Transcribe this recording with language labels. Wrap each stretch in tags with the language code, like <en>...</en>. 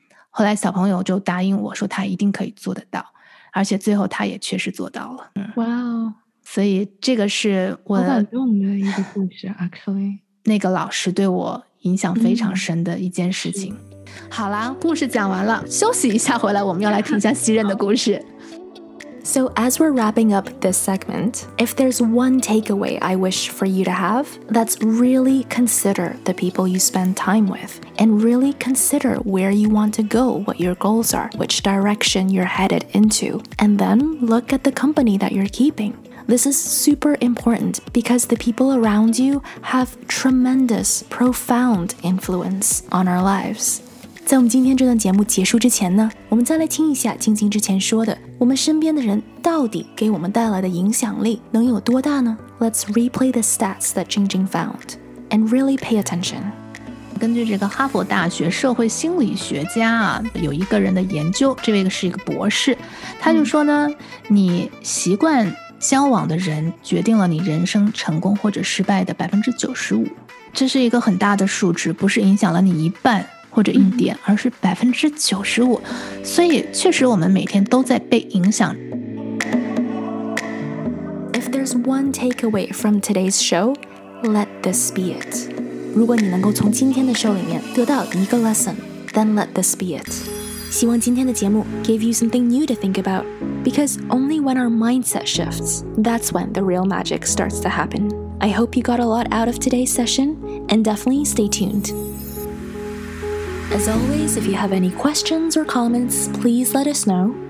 <zh>后来小朋友就答应我说他一定可以做得到，而且最后他也确实做到了。哇哦！所以这个是我好感动的一个故事</zh> <en>actually</en> <zh>那个老师对我影响非常深的一件事情。好啦，故事讲完了，休息一下，回来我们要来听一下西任的故事。</zh> <en>So as we're wrapping up this segment, if there's one takeaway I wish for you to have, that's really consider the people you spend time with, and really consider where you want to go, what your goals are, which direction you're headed into, and then look at the company that you're keeping. This is super important because the people around you have tremendous, profound influence on our lives.</en> <zh>在我们今天这段节目结束之前呢，我们再来听一下晶晶之前说的，我们身边的人到底给我们带来的影响力能有多大呢？</zh> <en>Let's replay the stats that Jingjing found and really pay attention.</en> <zh>根据这个哈佛大学社会心理学家有一个人的研究，这位是一个博士，他就说呢，你习惯交往的人决定了你人生成功或者失败的 95%， 这是一个很大的数值，不是影响了你一半或者一点，而是95%，所以确实我们每天都在被影响。</zh> <en>If there's one takeaway from today's show, let this be it.</en> <zh>如果你能够从今天的 show 里面得到一个 lesson,</zh> <en>then let this be it.</en> <zh>希望今天的节目</zh> <en>gave you something new to think about, because only when our mindset shifts, that's when the real magic starts to happen. I hope you got a lot out of today's session, and definitely stay tuned. As always, if you have any questions or comments, please let us know.</en>